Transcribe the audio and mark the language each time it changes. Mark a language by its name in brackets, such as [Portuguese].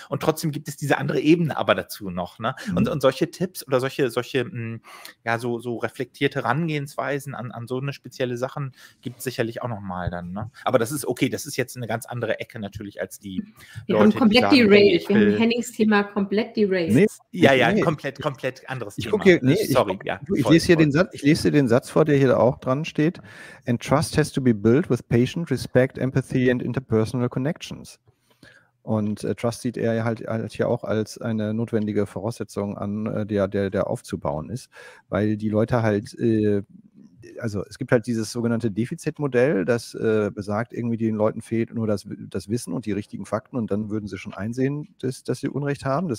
[German] Und trotzdem gibt es diese andere Ebene aber dazu noch. Ne? Mhm. Und solche Tipps oder solche reflektierte Herangehensweisen an so eine spezielle Sachen gibt es sicherlich auch nochmal dann. Ne? Aber das ist okay, das ist jetzt eine ganz andere Ecke natürlich als die Leute, die sagen, derailed. Wir haben Hennings Thema komplett derailed. Nee. Ja, nee. Komplett anderes ich Thema. Hier, nee, sorry, ich ja. Ich lese dir den Satz vor, der hier auch dran steht. [English] And trust has to be built with patient respect, empathy and interpersonal connections. [German] Und Trust sieht er halt hier auch als eine notwendige Voraussetzung an, der aufzubauen ist, weil die Leute halt, also es gibt halt dieses sogenannte Defizitmodell, das besagt, irgendwie den Leuten fehlt nur das Wissen und die richtigen Fakten und dann würden sie schon einsehen, dass sie Unrecht haben.